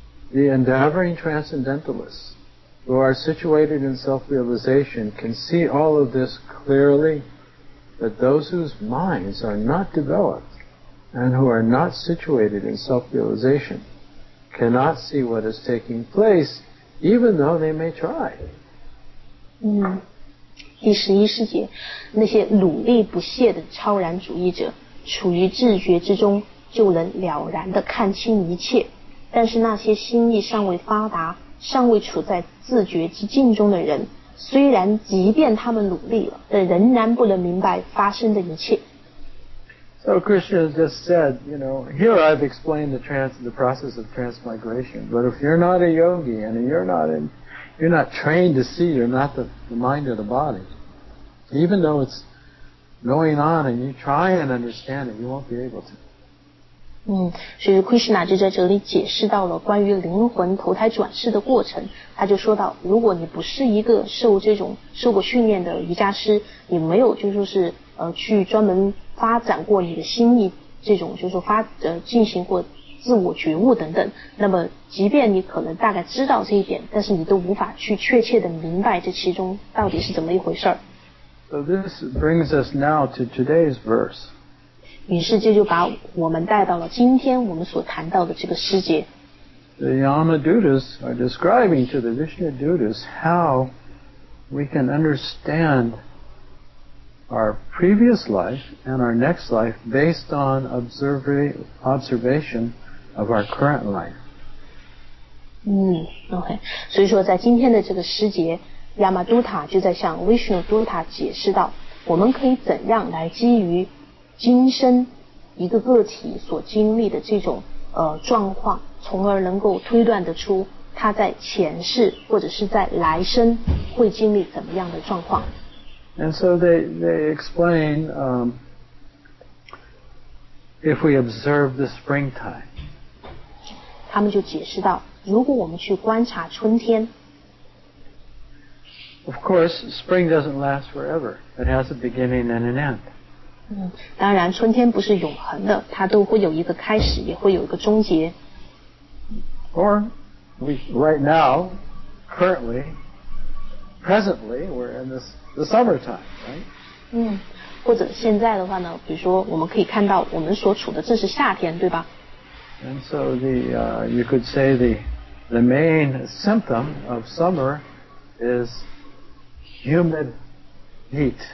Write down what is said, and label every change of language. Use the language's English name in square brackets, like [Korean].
[English] The endeavoring transcendentalists who are situated in self-realization can see all of this clearly, but those whose minds are not developed and who are not situated in self-realization cannot see what is taking place, even though they may try. [Chinese] 第十一世节，那些努力不懈的超然主义者处于自觉之中就能了然地看清一切，但是那些心意尚未发达尚未处在自觉之境中的人，虽然即便他们努力了，但仍然不能明白发生的一切。 [English] So Krishna just said, you know, here I've explained the process of transmigration, but if you're not a yogi and you're not trained to see, you're not the mind or the body, even though it's going on and you try and understand it, you won't be able to. [Chinese] 所以 Krishna 就在这里解释到了关于灵魂投胎转世的过程。他就说到，如果你不是一个受过训练的瑜伽师，你没有就是说是去专门发展过你的心意，这种就是说进行过自我觉悟等等，那么即便你可能大概知道这一点，但是你都无法去确切的明白这其中到底是怎么一回事。 [English] So this brings us now to today's verse. [Chinese] 于是这就把我们带到了今天我们所谈到的这个世界。 [English] The Yamadutas are describing to the Vishnudutas how we can understand our previous life and our next life based on observation of our current life. Okay. [Chinese] 所以说在今天的这个世界，亚玛都塔就在向 Vishnudutta 解释到，我们可以怎样来基于今生一个个体所经历的这种状况，从而能够推断得出他在前世或者是在来生会经历怎么样的状况。 [English] And so they explain, if we observe the springtime. [Chinese] 他们就解释到，如果我们去观察春天。 [English] Of course, spring doesn't last forever. It has a beginning and an end. [Chinese] 当然春天不是永恒的，它都会有一个开始，也会有一个终结。 [English] Or right now, currently, presently, we're in the summertime, right? [Chinese] 或者现在的话呢，比如说我们可以看到我们所处的正是夏天，对吧？ [English] And so you could say the main symptom of summer is humid heat.